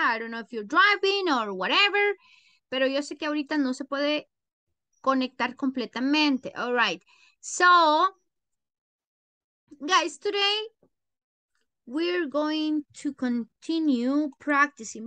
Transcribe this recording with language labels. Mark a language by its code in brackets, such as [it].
[en] I don't know if you're driving or whatever. [es] Pero yo sé que ahorita no se puede conectar completamente. [en] All right. So, guys, today we're going to continue practicing.